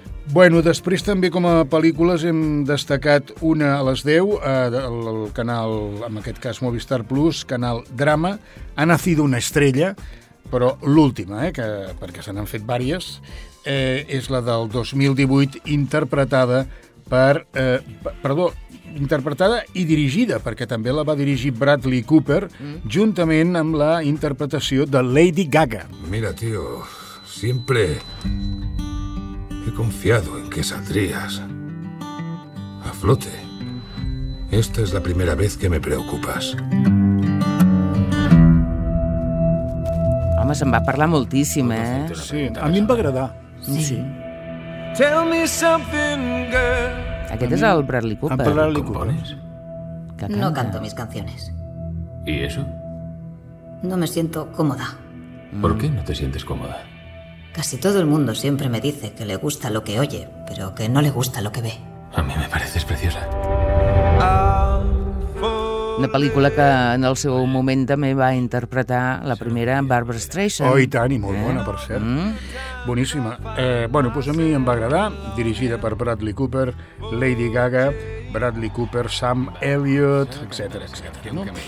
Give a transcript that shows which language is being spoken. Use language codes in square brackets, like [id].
[ca] Bueno, després també com a pel·lícules hem destacat una a les 10, el canal, en aquest cas Movistar Plus, canal Drama, Ha nacido una estrella, però l'última, perquè se n'han fet diverses, és la del 2018, interpretada per... interpretada i dirigida, perquè també la va dirigir Bradley Cooper, juntament amb la interpretació de Lady Gaga. [es] Mira, tío, siempre... he confiado en que saldrías a flote. Esta es la primera vez que me preocupas. [ca] Home, se'n va parlar moltíssim, Sí, a mi em va agradar. [en] Sí. Tell me something, girl. [ca] Aquest és el Bradley Cooper. El Bradley Cooper. [es] No canto mis canciones. ¿Y eso? No me siento cómoda. ¿Por qué no te sientes cómoda? Casi todo el mundo siempre me dice que le gusta lo que oye, pero que no le gusta lo que ve. A mí me pareces preciosa. [ca] Una pel·lícula que en el seu moment també va interpretar la primera, Barbara Streisand. Oh, i tant, i molt bona, per cert. Boníssima. A mi em va agradar, dirigida per Bradley Cooper, Lady Gaga, Bradley Cooper, Sam Elliott, etcètera, no?